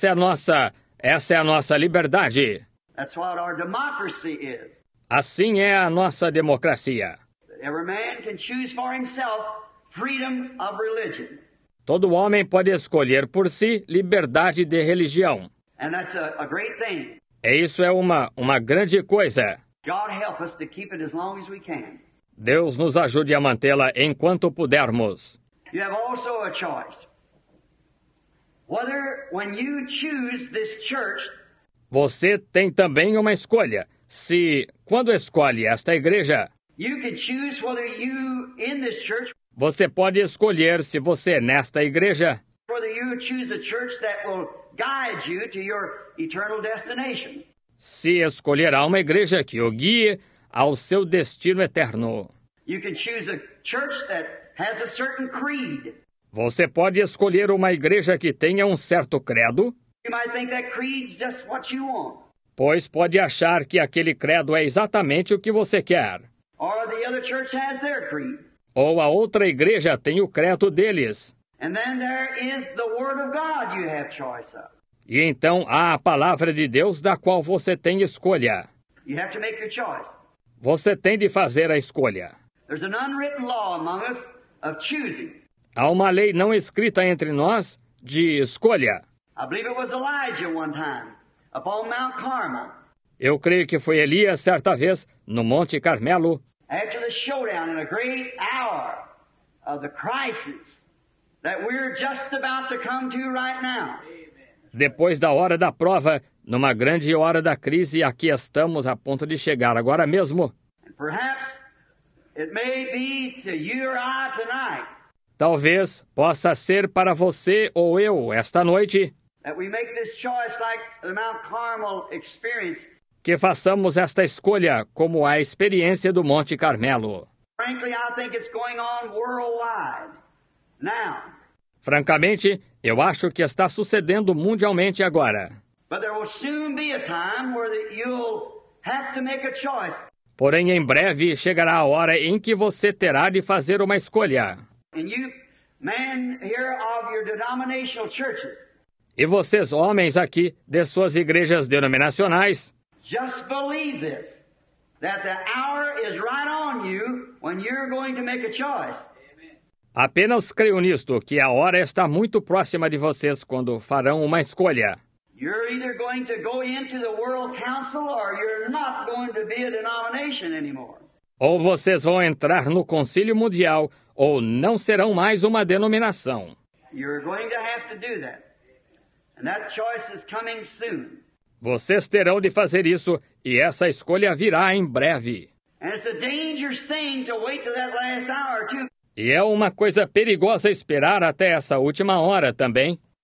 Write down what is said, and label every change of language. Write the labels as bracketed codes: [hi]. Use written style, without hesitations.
[pt] Essa é a nossa liberdade. [en] That's what our democracy is. [pt] Assim é a nossa democracia. [en] Every man can choose for himself. Freedom of religion. [pt] Todo homem pode escolher por si liberdade de religião. [en] And that's a great thing. [pt] E isso é uma grande coisa. [en] God help us to keep it as long as we can. [pt] Deus nos ajude a mantê-la enquanto pudermos. [en] You have also a choice. Whether when you choose this church. [pt] Você tem também uma escolha. Se quando escolhe esta igreja. [en] You can choose whether you in this church. [pt] Você pode escolher se você nesta igreja. [en] Whether you choose a church that will guide you to your eternal destination. [pt] Se escolherá uma igreja que o guie ao seu destino eterno. [en] You can choose a church that has a certain creed. [pt] Você pode escolher uma igreja que tenha um certo credo. [en] You might think that creed's just what you want. [pt] Pois pode achar que aquele credo é exatamente o que você quer. [en] Or the other church has their creed. [pt] Ou a outra igreja tem o credo deles. [en] And then there is the word of God you have choice of. [pt] E então há a palavra de Deus da qual você tem escolha. [en] You have to make your choice. [pt] Você tem de fazer a escolha. [en] There's an unwritten law among us of choosing. [pt] Há uma lei não escrita entre nós de escolha. [en] I believe it was Elijah one time, upon Mount Carmel. [pt] Eu creio que foi Elias certa vez no Monte Carmelo. [en] After the showdown in a great hour of the crisis that we're just about to come to right now. [pt] Depois da hora da prova, numa grande hora da crise, aqui estamos a ponto de chegar agora mesmo. [en] And perhaps it may be to you or I tonight. [pt] Talvez possa ser para você ou eu esta noite. [en] That we make this choice like the Mount Carmel experience. [pt] Que façamos esta escolha como a experiência do Monte Carmelo. [en] Frankly, I think it's going on worldwide now. [pt] Francamente, eu acho que está sucedendo mundialmente agora. [en] But there will soon be a time where you'll have to make a choice. [pt] Porém, em breve chegará a hora em que você terá de fazer uma escolha. [en] And you, men here of your denominational churches. [pt] E vocês, homens aqui de suas igrejas denominacionais, [en] just believe this, that the hour is right on you when you're going to make a choice. [pt] Apenas creio nisto, que a hora está muito próxima de vocês quando farão uma escolha. [en] You're either going to go into the World Council or you're not going to be a denomination anymore. [pt] Ou vocês vão entrar no Conselho Mundial ou não serão mais uma denominação. [en] You're going to have to do that. And that choice is coming soon. [pt] Vocês terão de fazer isso e essa escolha virá em breve. [en] And it's a dangerous thing to wait till that last hour too. [pt] E é uma coisa perigosa esperar até essa última hora também.